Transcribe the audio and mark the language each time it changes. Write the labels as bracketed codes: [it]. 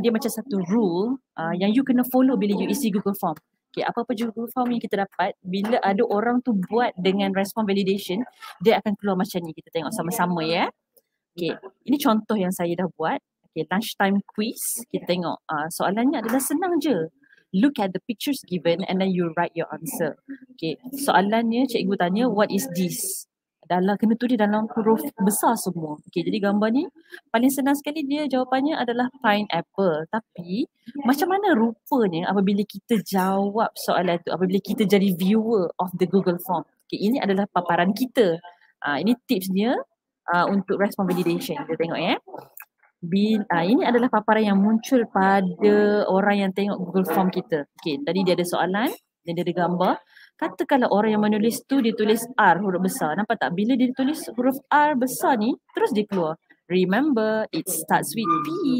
[ms] Dia macam satu rule yang you kena follow bila you isi Google Form. Okay, apa-apa Google Form yang kita dapat, bila ada orang tu buat dengan response validation, dia akan keluar macam ni. Kita tengok sama-sama ya. Okay, ini contoh yang saya dah buat. [en] Okay, lunchtime quiz. [ms] Kita tengok soalannya adalah senang je. [en] Look at the pictures given and then you write your answer. [ms] Okay, soalannya cikgu tanya, [en] what is this? [ms] Dalam, kena tulis dalam huruf besar semua. Okay, jadi gambar ni paling senang sekali dia jawapannya adalah pineapple. Tapi macam mana rupanya apabila kita jawab soalan tu, apabila kita jadi [en] viewer of the Google Form. [ms] Okay, ini adalah paparan kita. Ini tips dia. Untuk response validation, kita tengok ya. Ini adalah paparan yang muncul pada orang yang tengok Google Form kita. Okay, tadi dia ada soalan dan dia ada gambar. Katakanlah orang yang menulis tu dia tulis R huruf besar. Nampak tak? Bila dia tulis huruf R besar ni, terus dia keluar. [en] Remember, it starts with P.